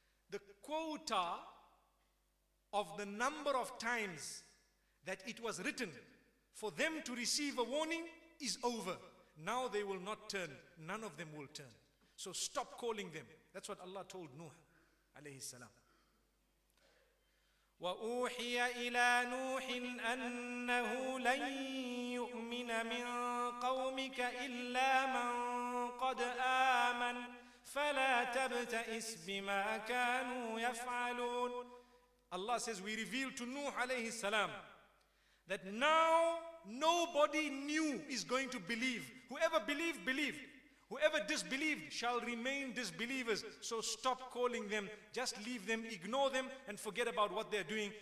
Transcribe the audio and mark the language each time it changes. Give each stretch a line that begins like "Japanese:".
English: The quota of the number of times that it was written for them to receive a warning is over. Now they will not turn. None of them will turn. So stop calling them. That's what Allah told Nuh alayhi salam.
Arabic: وأوحي إلى نوح أنه لن يؤمن من قومك إلا من قد آمن فلا تبتئس بما كانوا يفعلون.
English: Allah says, we reveal to Nuh alayhi salam that now nobody new is going to believe. Whoever believed, believed. Whoever disbelieved shall remain disbelievers. So stop calling them. Just leave them, ignore them, and forget about what they're doing.